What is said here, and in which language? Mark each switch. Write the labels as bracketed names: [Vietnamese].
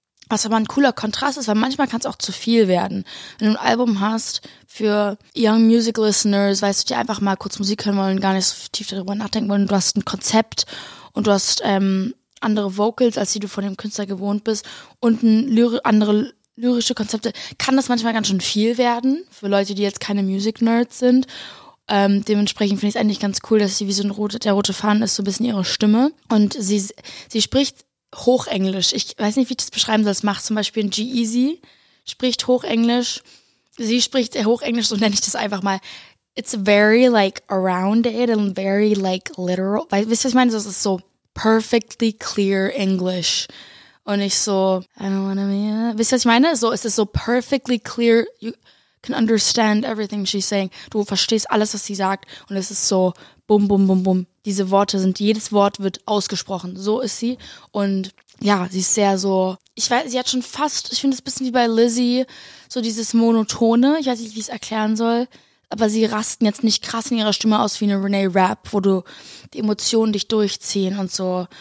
[German] Was aber ein cooler Kontrast ist, weil manchmal kann es auch zu viel werden. Wenn du ein Album hast für Young Music Listeners, weißt du, die einfach mal kurz Musik hören wollen, gar nicht so tief darüber nachdenken wollen, du hast ein Konzept und du hast andere Vocals, als die du von dem Künstler gewohnt bist und andere lyrische Konzepte, kann das manchmal ganz schön viel werden für Leute, die jetzt keine Music Nerds sind. Dementsprechend finde ich es eigentlich ganz cool, dass sie wie so ein rote, der rote Faden ist, so ein bisschen ihre Stimme. Und sie spricht Hochenglisch. Ich weiß nicht, wie ich das beschreiben soll. Es macht zum Beispiel ein G-Eazy, spricht Hochenglisch. Sie spricht Hochenglisch, so nenne ich das einfach mal. [English] It's very like around it and very like literal. [German] Wisst ihr, was ich meine? Das ist so [English] perfectly clear English. [German] Und ich so, [English] I don't wanna be. [German] Wisst ihr, was ich meine? So, es ist so [English] perfectly clear. You can understand everything she's saying. [German] Du verstehst alles, was sie sagt. Und es ist so, bum, bum, bum, bum. Diese Worte sind, jedes Wort wird ausgesprochen. So ist sie. Und ja, sie ist sehr so, ich weiß, sie hat schon fast, ich finde es ein bisschen wie bei Lizzie, so dieses Monotone. Ich weiß nicht, wie ich es erklären soll. Aber sie rasten jetzt nicht krass in ihrer Stimme aus wie eine Renee Rapp, wo du die Emotionen dich durchziehen und so.